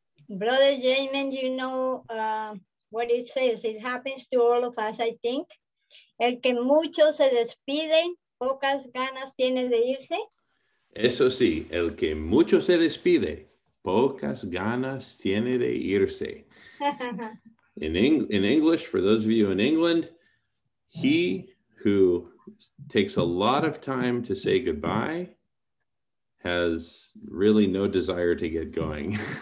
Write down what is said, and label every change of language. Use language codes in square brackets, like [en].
[en] Brother Jamin, you know what it says. It happens to all of us, I think. [es] El que mucho se despide, pocas ganas tiene de irse. Eso sí, el que mucho se despide, pocas ganas tiene de irse. [en] In English, for those of you in England, he who takes a lot of time to say goodbye has really no desire to get going.